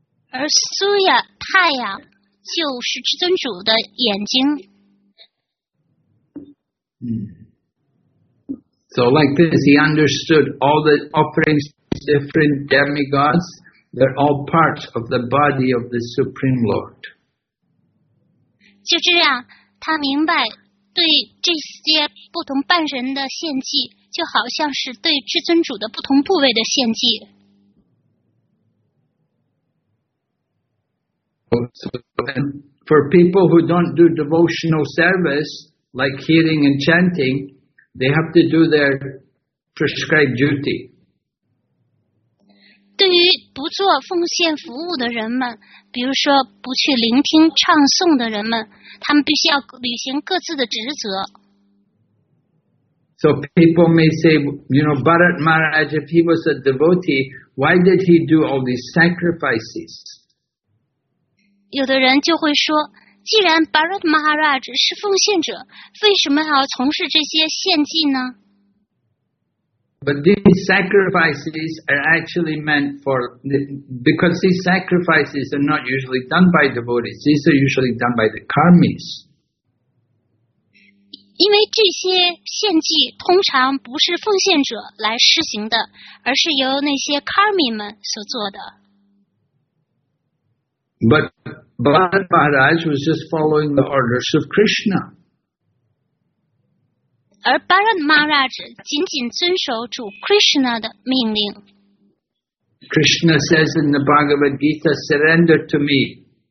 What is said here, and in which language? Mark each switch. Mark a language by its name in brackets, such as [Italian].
[Chinese] 而 Surya, 太阳就是至尊主的眼睛。 [English] So like this, he understood all the offerings of different demigods, they're all parts of the body of the Supreme Lord. [Chinese] 就这样，他明白对这些不同半神的献祭，就好像是对至尊主的不同部位的献祭。 [English] For people who don't do devotional service, like hearing and chanting, they have to do their prescribed duty. [Chinese] 对于不做奉献服务的人们，比如说不去聆听唱诵的人们，他们必须要履行各自的职责。 [English] So people may say, you know, Bharat Maharaj, if he was a devotee, why did he do all these sacrifices? [Chinese] 有的人就会说，既然 Bharat Maharaj 是奉献者，为什么要从事这些献祭呢？ [English] But these sacrifices are actually meant for, because these sacrifices are not usually done by devotees. These are usually done by the karmis. [Chinese] 因为这些献祭通常不是奉献者来施行的，而是由那些 karmi 们所做的。 [English] But Bharat Maharaj was just following the orders of Krishna. [Chinese] 而 Bharat Maharaj 仅仅遵守主 Krishna 的命令。 [English] Krishna says in the Bhagavad Gita, surrender to me.